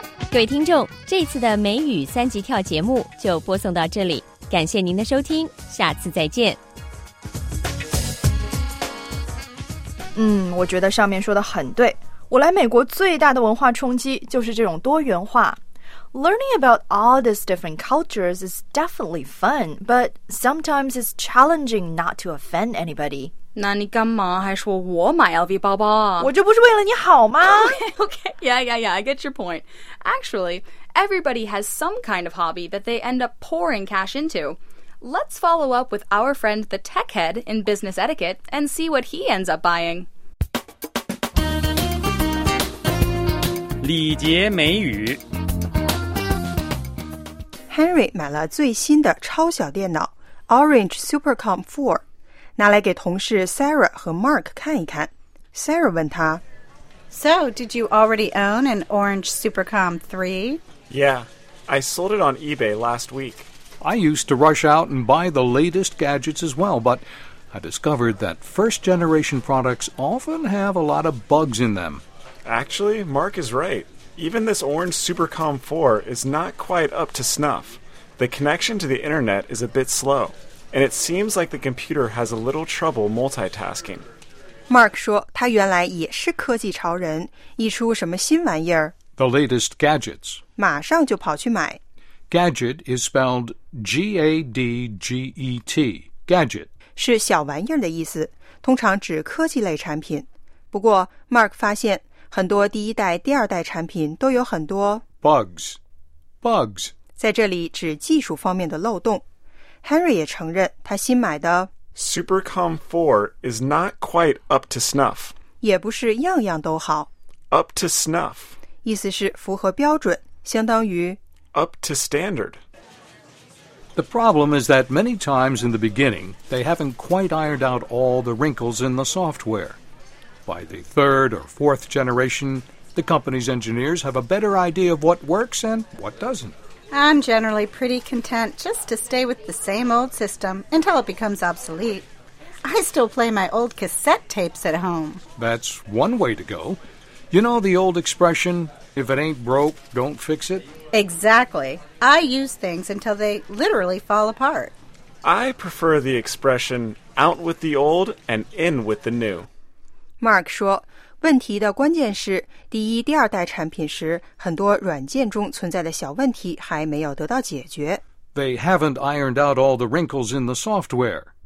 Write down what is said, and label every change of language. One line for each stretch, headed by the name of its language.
Chinese: 各位听众，这次的美语三级跳节目就播送到这里，感谢您的收听，下次再见。我觉得上面说的很对。我来美国最大的文化冲击就是这种多元化。
English: Learning about all these different cultures is definitely fun, but sometimes it's challenging not to offend anybody.
Chinese: 那你干嘛还说我买 LV 包包啊？我这不是为了你好吗？
English: Okay, I get your point. Actually, everybody has some kind of hobby that they end up pouring cash into. Let's follow up with our friend the tech head in business etiquette and see what he ends up buying. 礼节美语 Henry 买了最新的超小电脑 Orange Supercom 4，拿来给同事 Sarah 和 Mark 看一看。Sarah 问他 So, did you already own an Orange Supercom 3? Yeah, I sold it on eBay last week. I used to rush out and buy the latest gadgets as well, but I discovered that first-generation products often have a lot of bugs in them. Actually, Mark is right. Even this Orange Supercom 4 is not quite up to snuff. The connection to the internet is a bit slow, and it seems like the computer has a little trouble multitasking.
Chinese: Mark 说他原来也是科技潮人，一出什么新玩意儿
English: The latest gadgets.
Chinese: 马上就跑去买。
English: Gadget is spelled G-A-D-G-E-T, gadget.
Chinese: 是小玩意儿的意思，通常指科技类产品。不过 Mark 发现很多第一代、第二代产品都有很多
English: Bugs.
Chinese: 在这里指技术方面的漏洞。 Henry 也承认他新买的
English: Supercom 4 is not quite up to snuff.
Chinese: 也不是样样都好。
English: Up to snuff.
Chinese: 意思是符合标准，相当于
English: Up to standard. The problem is that many times in the beginning, they haven't quite ironed out all the wrinkles in the software. By the third or fourth generation, the company's engineers have a better idea of what works and what doesn't. I'm generally pretty content just to stay with the same old system until it becomes obsolete. I still play my old cassette tapes at home. That's one way to go. You know the old expression, if it ain't broke, don't fix it? Exactly. I use things until they literally fall apart. I prefer the expression, out with the old and in with the new.
Chinese: Mark 说，问题的关键是第一、第二代产品时，很多软件中存在的小问题还没有得到解决。
English: They haven't ironed out all the wrinkles in the software.